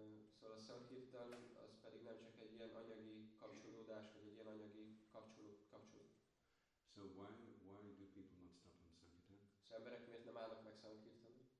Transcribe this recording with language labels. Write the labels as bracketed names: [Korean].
[Hungarian] Szóval a szankirtan az pedig nem csak egy ilyen anyagi kapcsolódás, vagy egy ilyen anyagi kapcsolódás. [English] So why do people not stop on sankirtan? [Hungarian] Szóval emberek miért nem állnak meg szankirtan?